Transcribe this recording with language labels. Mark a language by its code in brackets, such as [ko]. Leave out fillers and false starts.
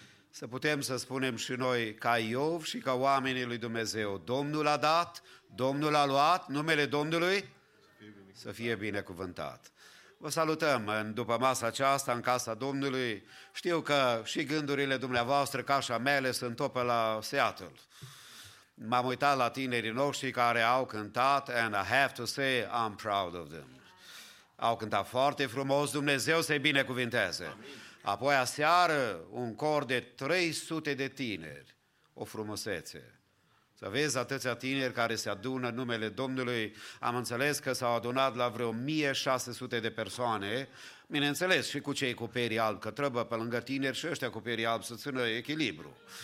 [ro] Să putem să spunem și noi ca Iov și ca oamenii lui Dumnezeu, Domnul a dat, Domnul a luat, numele Domnului să fie binecuvântat. Vă salutăm în după masa aceasta, în casa Domnului. Știu că și gândurile dumneavoastră, ca și a mele, sunt tot pe la Seattle. M-am uitat la tinerii noștri care au cântat, [en] and I have to say, I'm proud of them. [ro] Au cântat foarte frumos, Dumnezeu să-i binecuvinteze. Amin. Apoi aseară, un cor de 300 de tineri, o frumusețe. Să vezi atâția tineri care se adună în numele Domnului, am înțeles că s-au adunat la vreo 1600 de persoane, bineînțeles și cu cei cu perii albi, că trebuie pe lângă tineri și ăștia cu perii albi să țină echilibru.